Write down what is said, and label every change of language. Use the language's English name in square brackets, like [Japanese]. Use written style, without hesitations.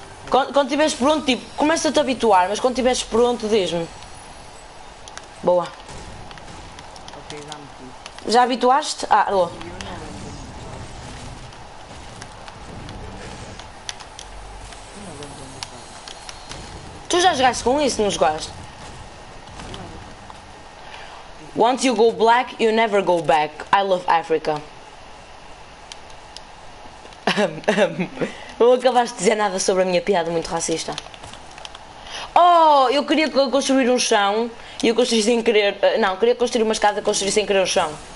[Portuguese] Quando estiveres pronto, tipo, começa-te a habituar, mas quando estiveres pronto, diz-me. Boa. Já habituaste? Ah, alô. Tu já jogaste com isso, não jogaste? [English] Once you go black, you never go back. I love Africa. [Portuguese] Não acabaste de dizer nada sobre a minha piada muito racista. Oh, eu queria construir um chão e eu construí sem querer. Não, queria construir uma escada e construí sem querer um chão.